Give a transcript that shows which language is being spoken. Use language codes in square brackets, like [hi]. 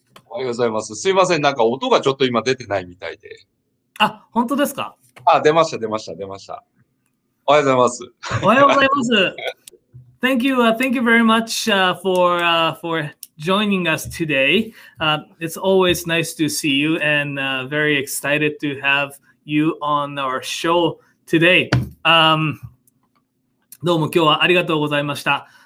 [ja] おはようございます。すいません。なんか音がちょっと今出てないみたいで。あ、本当ですか？あ、出ました、出ました、出ました。おはようございます。おはようございます。 [en] Thank you. Thank you very much for joining us today. It's always nice to see you and very excited to have you on our show today. [ja] どうも今日はありがとうございました。